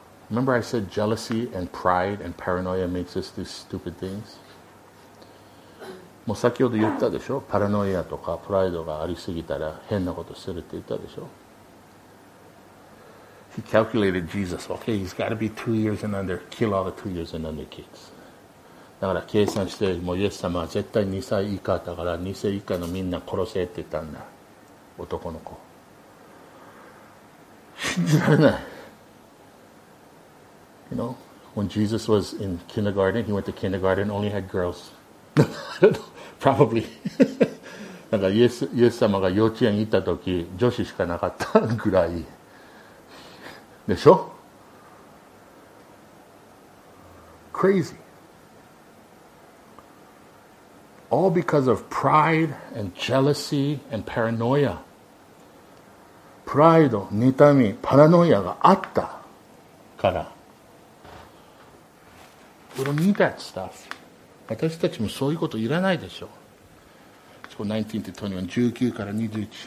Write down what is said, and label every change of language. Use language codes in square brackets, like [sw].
[en] Remember I said jealousy and pride and paranoia makes us do stupid things? [ja] もう先ほど言ったでしょ、パラノイアとかプライドがありすぎたら変なことするって言ったでしょ。 [en] He calculated Jesus. Okay, he's got to be 2 years and under. Kill all the 2 years and under kids. [ja] だから計算して、もうイエス様は絶対2歳以下だから2歳以下のみんな殺せって言ったんだ。男の子、信じられない。 [en] You know, when Jesus was in kindergarten, he went to kindergarten, only had girls. Probably. [ja] なんかイエス様が幼稚園行った時、女子しかなかったぐらいでしょ。 [en] Crazy. All because of pride and jealousy and paranoia. [ja] プライド、妬み、パラノイアがあったから。 [en] We don't need that stuff. [ja] 私たちもそういうこといらないでしょ。 [en] So 19 to 21, [ja] 19から21。